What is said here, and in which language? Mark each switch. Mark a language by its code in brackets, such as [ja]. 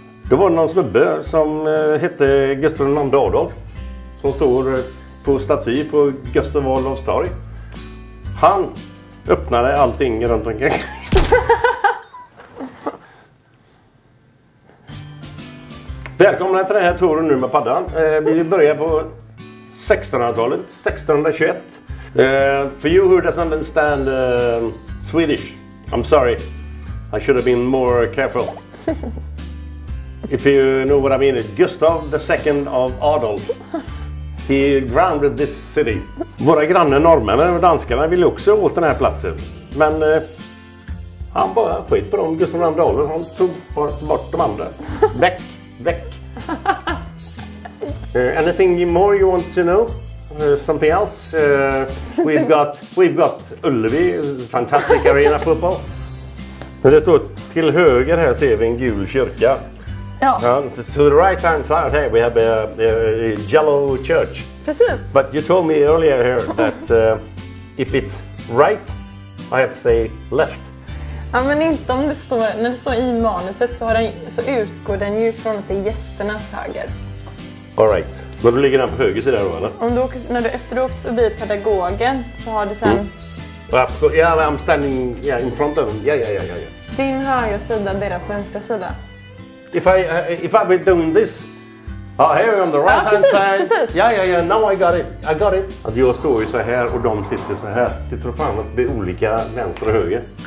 [sv] Det var någon snubbe som hette Gustav II Adolf som står på staty på Gustav Adolfs torg. Han öppnade allting runt omkring. Välkomna till den här touren nu med paddan. Vi börjar på 1600-talet, 1621. [en] For you who doesn't understand Swedish, I'm sorry. I should have been more careful. If you know what I mean, Gustav II of Adolf, he grounded this city. [sv] Våra grannar norrmännen och danskarna ville också åt den här platsen. Men han bara skit på dem, Gustav II Adolf, han tog bort de andra. Väck, väck. [en] Anything more you want to know? Something else? We've got Ullevi, fantastic arena football. [sv] Men det står till höger här ser vi en gul kyrka. Ja. [en] To the right hand side, hey, we have a yellow church. [sv] Precis. [en] But you told me earlier here that if it's right, I have to say left. [sv] Ja, men inte om det står, när det står i manuset så utgår den ju från att det är gästernas höger. [en] All right. [sv] Men du ligger den på höger sida då, eller? Om du åker, när du efter du åker förbi pedagogen så har du sen... [en] Yeah, I'm standing in front of them. Yeah. [sv] Din höger sida, deras vänstra sida. [en] If I be doing this, here on the right hand side, [sv] precis. [en] Now I got it. [sv] Att jag står så här och de sitter så här. Det tror fan att det är olika vänster och höger.